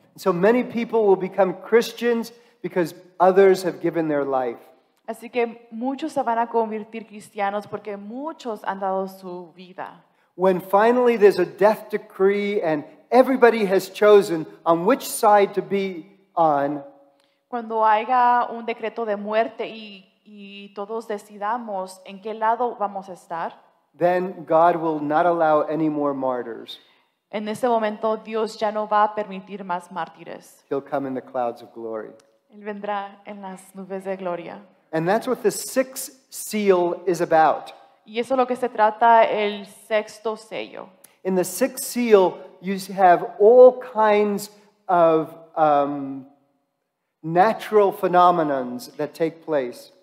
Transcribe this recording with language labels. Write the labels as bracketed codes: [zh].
[en] So many people will become Christians because others have given their life. [es] Así que muchos se van a convertir cristianos porque muchos han dado su vida. [en] When finally there's a death decree and everybody has chosen on which side to be on, [es] cuando haya un decreto de muerte y todos decidamos en qué lado vamos a estar, [en] then God will not allow any more martyrs. [es] En ese momento, Dios ya no va a permitir más mártires. [en] He'll come in the clouds of glory. [es] Él vendrá en las nubes de gloria. [en] And that's what the sixth seal is about. [es] Y eso es lo que se trata el sexto sello. [en] In the sixth seal, you have all kinds of natural phenomena that take place.